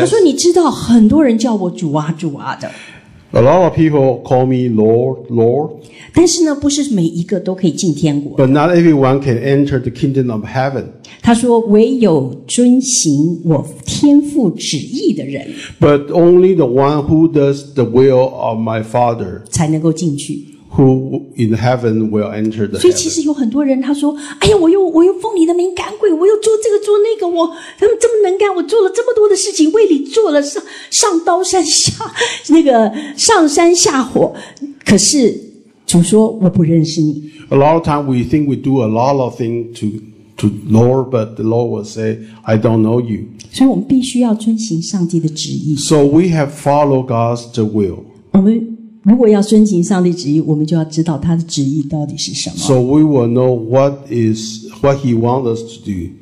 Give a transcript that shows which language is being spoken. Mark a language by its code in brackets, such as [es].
[zh] 他说你知道很多人叫我主啊主啊的 [en] ，A lot of people call me Lord Lord。 [zh] 但是呢，不是每一个都可以进天国。 [en] But not everyone can enter the kingdom of heaven. [zh] 他说，唯有遵行我天父旨意的人 [en] ，But only the one who does the will of my Father [zh] 才能够进去。 [en] Who in heaven will enter the heaven? [zh] 所以其实有很多人，他说：“哎呀，我又奉你的名赶鬼，我又做这个做那个，我他们这么能干，我做了这么多的事情，为你做了上刀山下那个上山下火，可是。” 主说：“我不认识你。” [en] A lot of time we think we do a lot of things to Lord, but the Lord will say, "I don't know you." [zh] 所以我们必须要遵行上帝的旨意。 [en] So we have follow God's will. [zh] 我们如果要遵行上帝旨意，我们就要知道他的旨意到底是什么。 [en] So we will know what He wants us to do.